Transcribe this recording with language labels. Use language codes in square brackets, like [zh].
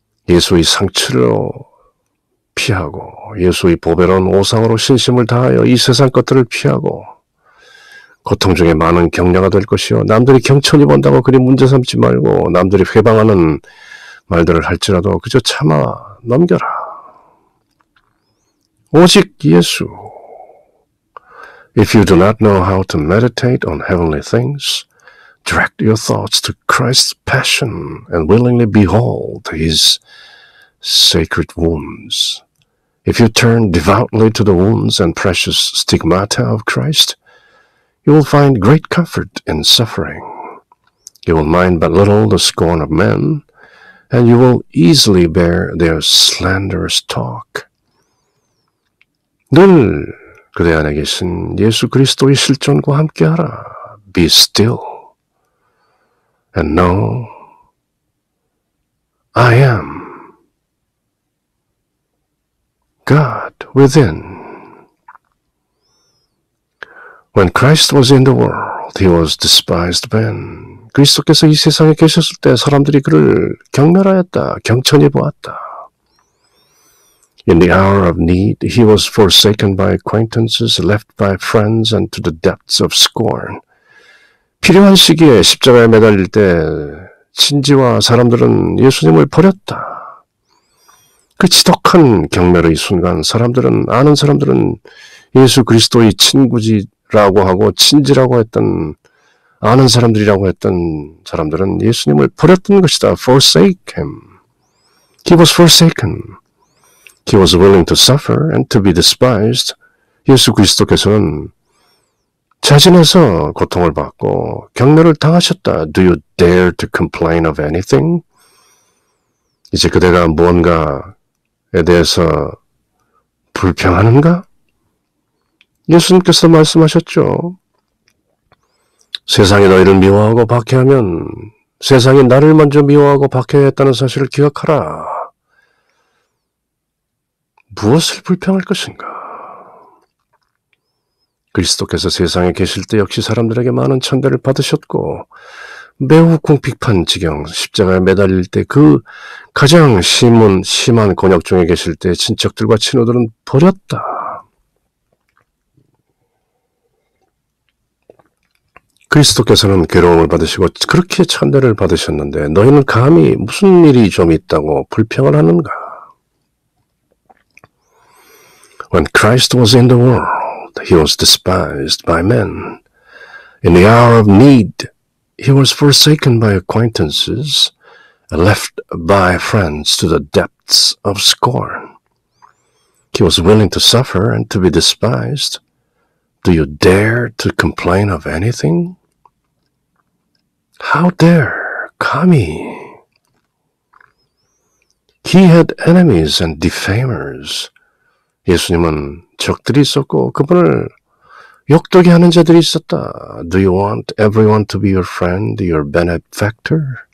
[ko] 예수의 상처로 피하고 예수의 보배로운 오상으로 신심을 다하여 이 세상 것들을 피하고 고통 중에 많은 격려가 될 것이요. 남들이 경천이 본다고 그리 문제 삼지 말고 남들이 회방하는 말들을 할지라도 그저 참아 넘겨라. 오직 예수. [en] If you do not know how to meditate on heavenly things, direct your thoughts to Christ's passion and willingly behold his sacred wounds. If you turn devoutly to the wounds and precious stigmata of Christ, you will find great comfort in suffering. You will mind but little the scorn of men, and you will easily bear their slanderous talk. [ko] 늘 그대 안에 계신 예수 그리스도의 실존과 함께하라. [en] Be still and know I am God within. When Christ was in the world, he was despised then. [ko] 그리스도께서 이 세상에 계셨을 때 사람들이 그를 경멸하였다, 경천히 보았다. [en] In the hour of need, he was forsaken by acquaintances, left by friends, and to the depths of scorn. [ko] 필요한 시기에 십자가에 매달릴 때 친지와 사람들은 예수님을 버렸다. 그 지독한 경멸의 순간 사람들은, 아는 사람들은 예수 그리스도의 친구지라고 하고 친지라고 했던, 아는 사람들이라고 했던 사람들은 예수님을 버렸던 것이다. [en] Forsake him. He was forsaken. He was willing to suffer and to be despised. [ko] 예수 그리스도께서는 자진해서 고통을 받고 경멸을 당하셨다. [en] Do you dare to complain of anything? [ko] 이제 그대가 무언가에 대해서 불평하는가? 예수님께서 말씀하셨죠. 세상이 너희를 미워하고 박해하면 세상이 나를 먼저 미워하고 박해했다는 사실을 기억하라. 무엇을 불평할 것인가? 그리스도께서 세상에 계실 때 역시 사람들에게 많은 천대를 받으셨고 매우 궁핍한 지경, 십자가에 매달릴 때 그 가장 심한 곤욕 중에 계실 때 친척들과 친우들은 버렸다. 그리스도께서는 괴로움을 받으시고 그렇게 천대를 받으셨는데 너희는 감히 무슨 일이 좀 있다고 불평을 하는가? [en] When Christ was in the world, he was despised by men. In the hour of need, he was forsaken by acquaintances, left by friends to the depths of scorn. He was willing to suffer and to be despised. Do you dare to complain of anything? How dare, Kami? He had enemies and defamers. [ko] 예수님은 적들이 있었고 그분을 욕되게 하는 자들이 있었다. [en] Do you want everyone to be your friend, your benefactor?